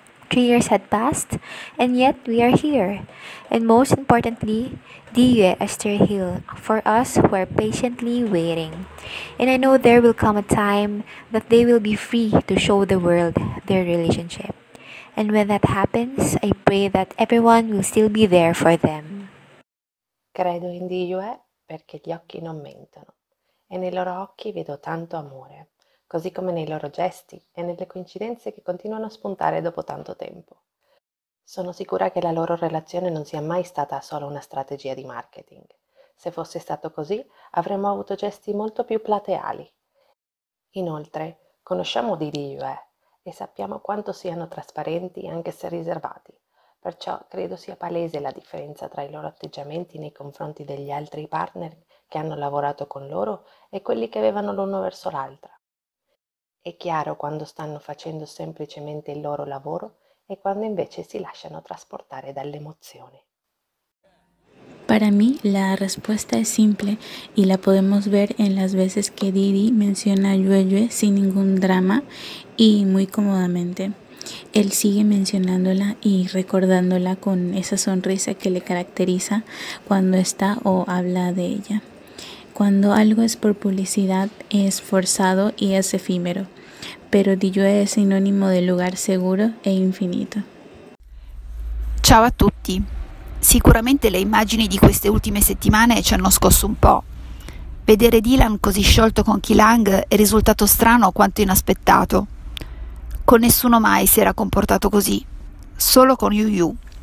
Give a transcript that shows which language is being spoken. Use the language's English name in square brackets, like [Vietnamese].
[English] 3 years had passed, and yet we are here. And most importantly, DiYue is still here for us who are patiently waiting. And I know there will come a time that they will be free to show the world their relationship. And when that happens, I pray that everyone will still be there for them. [Italian] Credo in DiYue perché gli occhi non mentono e nei loro occhi vedo tanto amore, così come nei loro gesti e nelle coincidenze che continuano a spuntare dopo tanto tempo. Sono sicura che la loro relazione non sia mai stata solo una strategia di marketing. Se fosse stato così, avremmo avuto gesti molto più plateali. Inoltre, conosciamo DiYue e sappiamo quanto siano trasparenti anche se riservati. Perciò credo sia palese la differenza tra i loro atteggiamenti nei confronti degli altri partner che hanno lavorato con loro e quelli che avevano l'uno verso l'altra. È chiaro quando stanno facendo semplicemente il loro lavoro e quando invece si lasciano trasportare dall'emozione. [Spanish] Para mí la respuesta es simple y la podemos ver en las veces que Didi menciona a Yue Yue sin ningún drama y muy cómodamente. Él sigue mencionándola y recordándola con esa sonrisa que le caracteriza cuando está o habla de ella. Cuando algo es por publicidad, es forzado y es efímero, pero DiYue es sinónimo de lugar seguro e infinito. [Italian] Ciao a tutti. Sicuramente le immagini di queste ultime settimane ci hanno scosso un po'. Vedere Dylan così sciolto con Kilang è risultato strano quanto inaspettato. Con nessuno mai si era comportato così, solo con YuYu.